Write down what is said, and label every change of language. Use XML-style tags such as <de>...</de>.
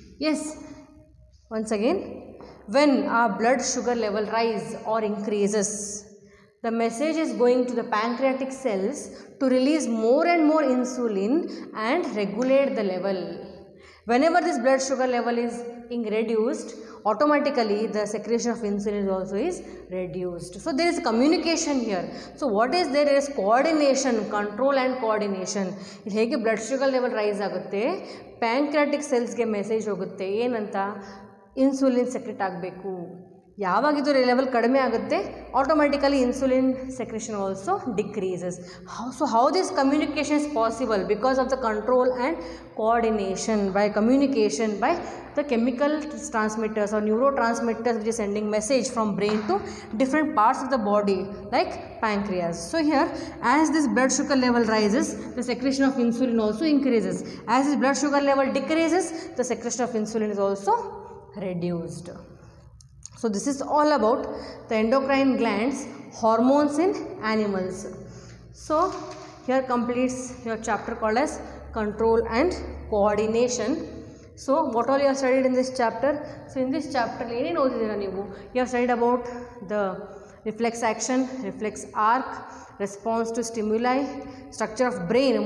<en>Yes, once again, when a blood sugar level rise or increases, the message is going to the pancreatic cells to release more and more insulin and regulate the level. Whenever this blood sugar level is being reduced, automatically the secretion of insulin also is reduced. So there is communication here. So what is there is coordination, control and coordination.</en> <kn>Hege blood sugar level rise agutte, pancreatic cells ge message hogutte enanta insulin secret aagbeku. ಯಾವಾಗಿದು level ಕಡಿಮೆ ಆಗುತ್ತೆ</kn> <en>Automatically insulin secretion also decreases. So how this communication is possible because of the control and coordination by communication by the chemical transmitters or neurotransmitters which sending message from brain to different parts of the body like pancreas. So here as this blood sugar level rises the secretion of insulin also increases. As this blood sugar level decreases the secretion of insulin is also reduced. So this is all about the endocrine glands, hormones in animals. So here completes your chapter called as control and coordination. So what all you have studied in this chapter? So in this chapter, you have studied about the reflex action, reflex arc, response to stimuli, structure of brain.</en>